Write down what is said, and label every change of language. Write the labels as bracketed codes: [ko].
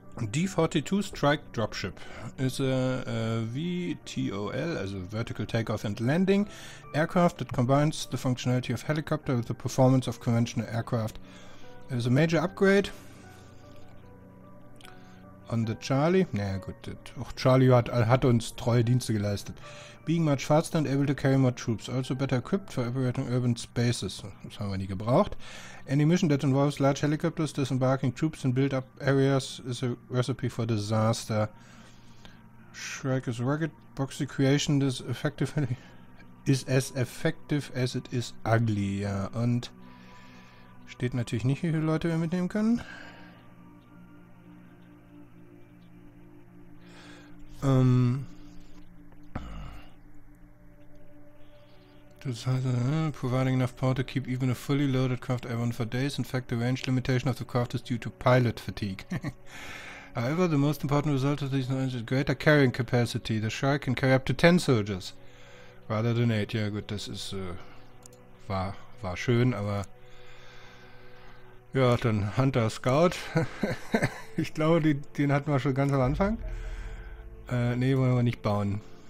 [en] D-42 Strike Dropship [de] ist ein VTOL, also [en] Vertical Takeoff and Landing Aircraft that combines the functionality of helicopter with the performance of conventional aircraft. It is a major upgrade on the Charlie. [de] Naja, gut, auch Charlie hat uns treue Dienste geleistet. [en] Being much faster and able to carry more troops. Also better equipped for operating urban spaces. [de] Das haben wir nie gebraucht. [en] Any mission that involves large helicopters disembarking troops and build up areas is a recipe for disaster. Shrike is rugged. Proxy creation is as effective as it is ugly. [de] Ja, und steht natürlich nicht, wie viele Leute wir mitnehmen können. Das heißt, [en] providing enough power to keep even a fully loaded craft airborne for days. In fact, the range limitation of the craft is due to pilot fatigue. However, the most important result of these knowledge is greater carrying capacity. The Shrike can carry up to 10 soldiers. Rather than 8. [de] Ja gut, das ist war schön, aber ja, dann Hunter Scout. Ich glaube, den hatten wir schon ganz am Anfang. Nee, wollen wir nicht bauen.